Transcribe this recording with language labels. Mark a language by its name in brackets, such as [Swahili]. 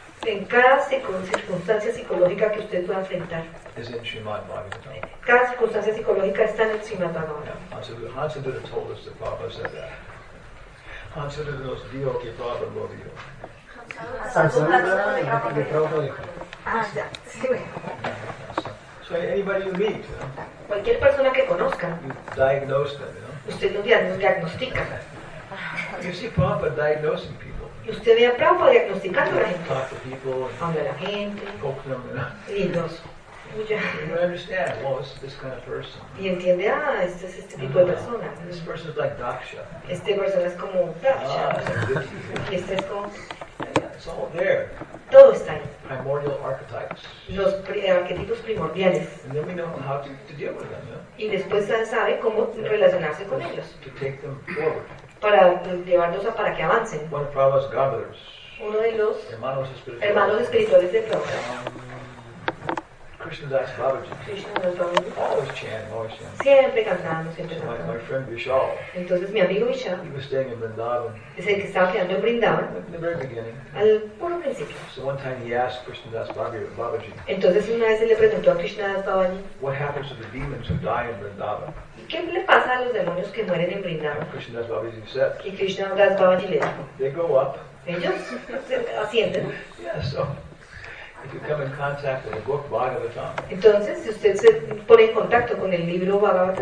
[Spanish] En cada circunstancia psicológica que usted pueda enfrentar. [English] Is in Srimad Bhagavatam. [Spanish] Cada circunstancia psicológica está en el Srimad Bhagavatam. [English] Hansa Dutta told us that Prabhupada said that. [Spanish] Hansa Dutta nos dijo que Prabhupada lo dijo. [English] So anybody you meet, [Spanish] cualquier persona que conozca, [English] diagnose them, you know. [Spanish] Usted los diagnostica. [English] You see Prabhupada diagnosing people. [Spanish] Y usted ve a Prabhupada diagnosticando a la gente. [English] Talk to people. [Spanish] Habla a la gente. [English] Poke them, you understand? Well, it's this kind of person. [Spanish] Y entiende, este es este tipo de persona. [English] This person is like Daksha. [Spanish] Este persona es como Daksha. Ah, este es como. [English] It's all there. [Spanish] Todo está ahí. [English] Primordial archetypes. [Spanish] Los arquetipos primordiales. [English] And then we know how to deal with them, yeah? [Spanish] Y después se sabe cómo relacionarse con ellos. [English] To take them forward. [Spanish] Para llevarlos a para que avancen. [English] One of Prabhupada's governors. [Spanish] Uno de los hermanos espirituales de Prabhupada. [English] Krishnadas Babaji. [Spanish] Krishnadas Babaji. [English] Always chanting, always chanting. [Spanish] Siempre cantando, siempre cantando. [English] My friend Vishal. [Spanish] Entonces mi amigo Vishal. [English] He was staying in Vrindavan. [Spanish] Es el que estaba quedando en Vrindavan. [English] In the very beginning. [Spanish] Al puro principio. [English] So one time he asked Krishnadas Babaji. [Spanish] Entonces una vez él le preguntó a Krishnadas Babaji. [English] What happens to the demons who die in Vrindavan? [Spanish] ¿Qué le pasa a los demonios que mueren en Vrindavan? [English] Krishnadas Babaji said. [Spanish] Y Krishnadas Babaji le dijo. [English] They go up. [Spanish] Ellos se ascienden. [English] Yeah, so. If you come in contact with the book Bhagavatam, [Spanish] entonces si usted se pone en contacto con el libro Bhagavatam,